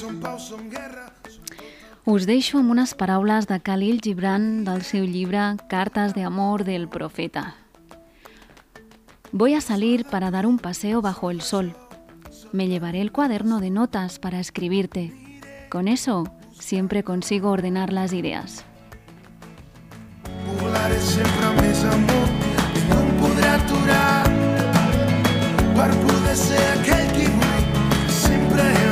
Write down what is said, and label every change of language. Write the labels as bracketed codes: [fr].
[ca] Us deixo amb unes paraules de Khalil Gibran del seu llibre Cartas de amor del profeta. [es] Voy a salir para dar un paseo bajo el sol. Me llevaré el cuaderno de notas para escribirte. Con eso siempre consigo ordenar las ideas. [ca] Volaré [es] siempre [ca] amb més amor i no em podré aturar per poder ser aquell qui vull sempre.